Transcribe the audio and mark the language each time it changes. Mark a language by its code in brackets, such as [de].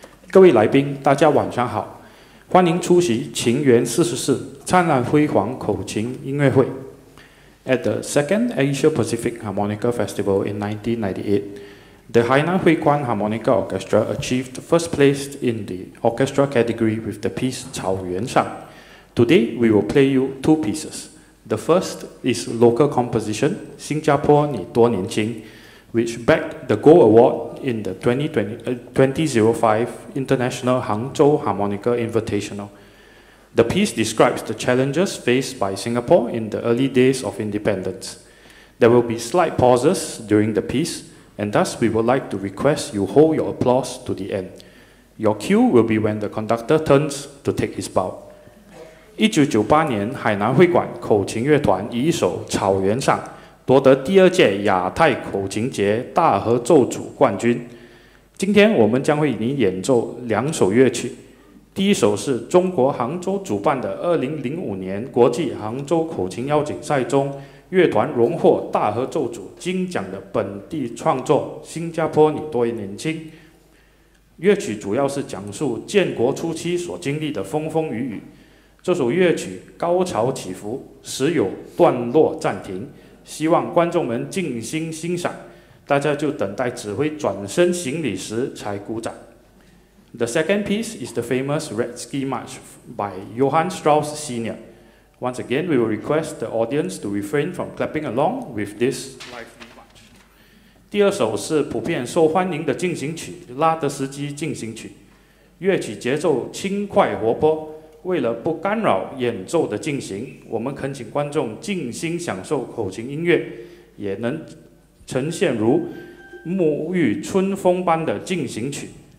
[zh] 各位来宾，大家晚上好，欢迎出席情缘44灿烂辉煌口琴音乐会。 [en] At the 2nd Asia Pacific Harmonica Festival in 1998, the Hainan Hui Quan Harmonica Orchestra achieved first place in the orchestra category with the piece 草原上. Today, we will play you two pieces. The first is local composition, 新加坡你多年轻, which bagged the Gold Award in the 2005 International Hangzhou Harmonica Invitational. The piece describes the challenges faced by Singapore in the early days of independence. There will be slight pauses during the piece, and thus we would like to request you hold your applause to the end. Your cue will be when the conductor turns to take his bow. [zh] 1998年海南会馆口琴乐团以一首《草原上》夺得第二届亚太口琴节大合奏组冠军。今天我们将为您演奏两首乐曲。第一首是中国杭州主办的2005年国际杭州口琴邀请赛中乐团荣获大合奏组金奖的本地创作《新加坡你多年轻》。乐曲主要是讲述建国初期所经历的风风雨雨。这首乐曲高潮起伏，时有段落暂停，希望观众们静心欣赏，大家就等待指挥转身行礼时才鼓掌。 [en] The second piece is the famous Red Ski March by Johann Strauss Sr. Once again, we will request the audience to refrain from clapping along with this lively march. [zh] 第二首是普遍受欢迎的进行曲《拉德斯基进行曲》。乐曲节奏轻快活泼，为了不干扰演奏的进行，我们恳请观众静心享受口琴音乐，也能呈现如沐浴春风般的进行曲。